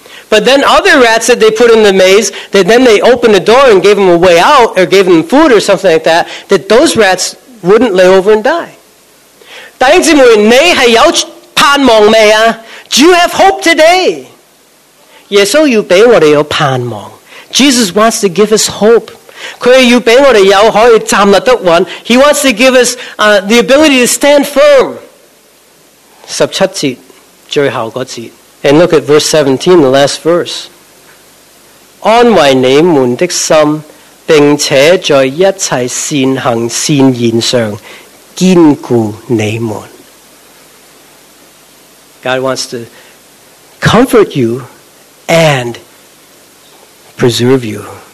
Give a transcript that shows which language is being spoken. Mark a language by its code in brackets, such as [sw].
[en] But then other rats that they put in the maze, that then they opened the door and gave them a way out or gave them food or something like that, that those rats wouldn't lay over and die. [zh] 弟兄姊妹，你是有盼望没啊? [en] Do you have hope today? [zh] 耶稣要给我们有盼望。 [en] Jesus wants to give us hope. [zh] 祂要给我们有可以站立得稳。 [en] He wants to give us the ability to stand firm. [zh] 十七节，最后那节。 [en] And look at verse 17, the last verse. [zh] 安慰你们的心，并且在一切善行善言上坚固你们。 [en] God wants to comfort you and preserve you.